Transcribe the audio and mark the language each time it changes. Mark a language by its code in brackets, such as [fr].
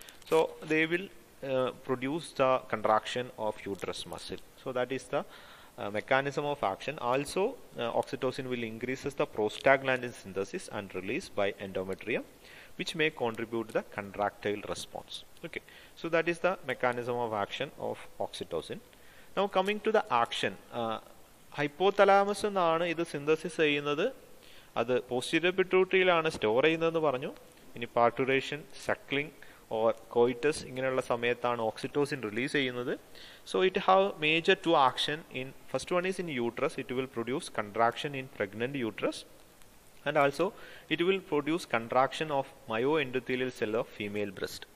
[en] So they will produce the contraction of uterus muscle. So that is the mechanism of action. Also oxytocin will increases the prostaglandin synthesis and release by endometrium, which may contribute the contractile response. Okay, so that is the mechanism of action of oxytocin. Now coming to the action, hypothalamus [ml] ആണ് ഇത് synthesis ചെയ്യുന്നത്. അത് posterior പിറ്റ്യൂട്ടറിയിലാണ് store ചെയ്യുന്നതെന്ന് പറഞ്ഞു. ഇനി പാർട്ടുറേഷൻ, suckling or coitus ഇങ്ങനെയുള്ള സമയത്താണ് oxytocin release ചെയ്യുന്നത്. [en] So it have major two action in, first one is in uterus. It will produce contraction in pregnant uterus and also it will produce contraction of myo endothelial cell of female breast.